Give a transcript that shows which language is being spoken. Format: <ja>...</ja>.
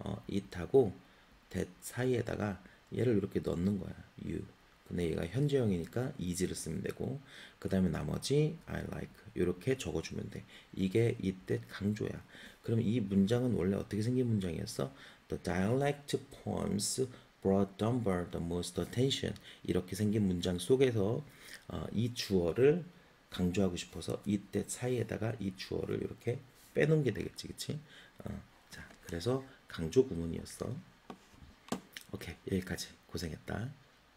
<ko>it하고 that 사이에다가 얘를 이렇게 넣는 거야. you. 근데 얘가 현재형이니까 is를 쓰면 되고, 그 다음에 나머지</ko> <en>I like.</en> <ko>이렇게 적어주면 돼. 이게 이때 강조야. 그럼 이 문장은 원래 어떻게 생긴 문장이었어?</ko> <en>The dialect poems brought Dunbar the most attention.</en> <ko>이렇게 생긴 문장 속에서 이 주어를 강조하고 싶어서 이때 사이에다가 이 주어를 이렇게 빼놓은 게 되겠지, 그치? 자, 그래서 강조 구문이었어. 오케이, 여기까지. 고생했다.</ko>